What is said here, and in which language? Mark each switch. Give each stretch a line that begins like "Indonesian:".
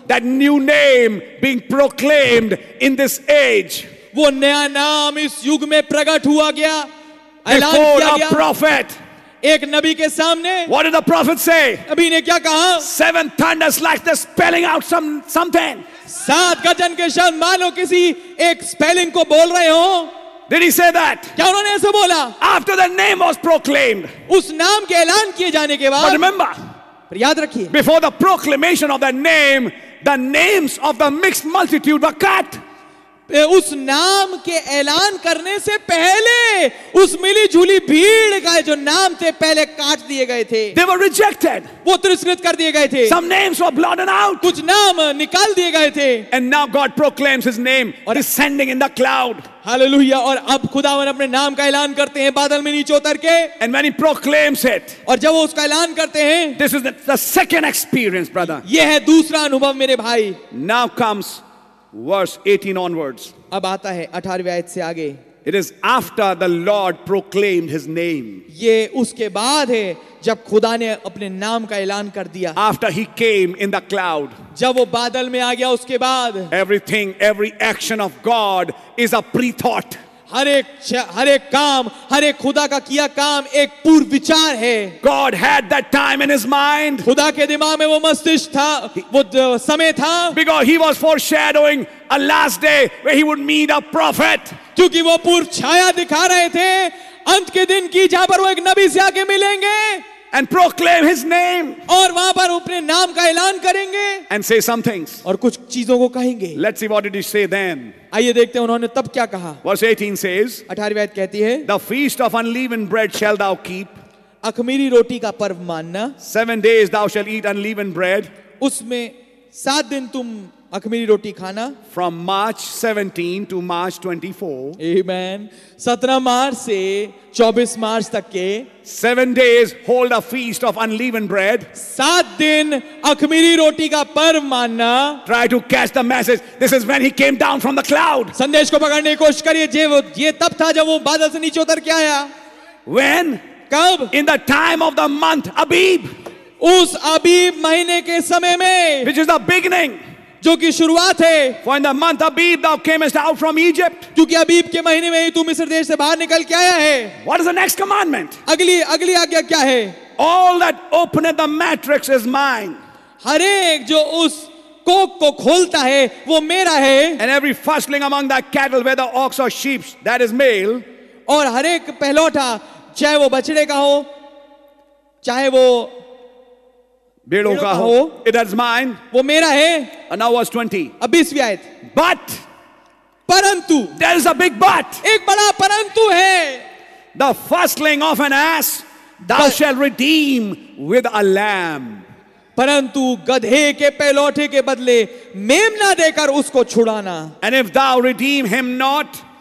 English: That new name being proclaimed in this age.
Hindi: वो नया नाम इस युग में प्रकट हुआ गया. ऐलान किया गया.
English: Before a prophet.
Hindi: एक नबी के सामने.
English: What did the prophet say?
Hindi: नबी ने क्या कहा?
English: Seven thunders like they're spelling out something.
Hindi: सात गजन के शब्द मानो किसी एक स्पेलिंग को बोल रहे हो.
English: Did he say that?
Hindi: क्या उन्होंने ऐसे बोला?
English: After the name was proclaimed.
Hindi: उस नाम के ऐलान किए जाने के बाद.
English: But remember.
Hindi: पर याद रखिए.
English: Before the proclamation of the names of the mixed multitude were cut.
Hindi: उस नाम के ऐलान करने से पहले उस मिली जुली भीड़ का जो नाम थे पहले काट दिए गए थे.
English: They were rejected.
Hindi: वो तिरस्कृत कर दिए गए थे.
English: Some names were blotted out.
Hindi: कुछ नाम निकाल दिए गए थे.
English: And now God proclaims His name descending in the cloud. Hallelujah.
Hindi: और अब खुदावन अपने नाम का ऐलान करते हैं बादल में नीचे उतर के.
English: And when He proclaims it.
Hindi: और जब वो उसका ऐलान करते हैं.
English: This is the second experience, brother.
Hindi: ये है दूसरा अनुभव मेरे भाई.
English: Now comes verse 18 onwards.
Hindi: अब आता है 18वीं आयत से आगे.
English: It is after the Lord proclaimed His name.
Hindi: ये उसके बाद है जब खुदा ने अपने नाम का ऐलान कर दिया.
English: After He came in the cloud.
Hindi: जब वो बादल में आ गया उसके बाद.
English: Everything, every action of God is a pre-thought.
Hindi: हर एक काम, हर एक खुदा का किया काम एक पूर्व विचार है.
English: God had that time in His mind.
Hindi: खुदा के दिमाग में वो मस्तिष्क था, वो समय था.
English: Because He was foreshadowing a last day where He would meet a prophet.
Hindi: क्योंकि वो पूर्व छाया दिखा रहे थे अंत के दिन की जहां पर वो एक नबी से आके मिलेंगे.
English: And proclaim His name.
Hindi: और वहां पर अपने नाम का ऐलान करेंगे.
English: And say some things.
Hindi: और कुछ चीजों को कहेंगे.
English: Let's see what did He say then.
Hindi: आइए देखते हैं उन्होंने तब क्या कहा.
English: Verse 18 says.
Hindi: 18वीं आयत कहती है.
English: The feast of unleavened bread shall thou keep.
Hindi: अखमीरी रोटी का पर्व मानना.
English: 7 days thou shall eat unleavened bread.
Hindi: उसमें 7 दिन तुम अखमीरी रोटी खाना.
English: From March 17 to March 24.
Hindi: Amen. 17 मार्च से 24 मार्च तक के.
English: 7 days hold a feast of unleavened bread.
Hindi: 7 दिन अखमीरी रोटी का पर्व मानना.
English: Try to catch the message. This is when He came down from the cloud.
Hindi: संदेश को पकड़ने की कोशिश करिए. ये तब था जब वो बादल से नीचे उतर के आया.
English: When?
Hindi: कब?
English: In the time of the month Abib.
Hindi: उस अबीब महीने के समय में.
English: Which is the beginning.
Hindi: जो कि शुरुआत है.
English: For in the month Abib thou camest out from Egypt.
Hindi: क्योंकि अबीब के महीने में ही तू मिस्र देश से बाहर निकल के आया है.
English: What is the next commandment?
Hindi: अगली आज्ञा क्या है?
English: All that openeth the matrix is mine.
Hindi: हर एक जो उस कोक को खोलता है वो मेरा है.
English: And every firstling among thy cattle, whether ox or sheep, that is male.
Hindi: और हर एक पहलौठा, चाहे वो बछड़े का हो, चाहे वो भेड़ों का हो,
English: it is mine.
Hindi: वो मेरा है.
English: And now verse 20.
Hindi: अब 20वीं आयत.
English: But,
Hindi: परंतु,
English: there is a big but.
Hindi: एक बड़ा परंतु है.
English: The firstling of an ass, thou shalt redeem with a lamb.
Hindi: परंतु गधे के पहलौठे के बदले मेमना देकर उसको छुड़ाना.
English: And if thou redeem him not,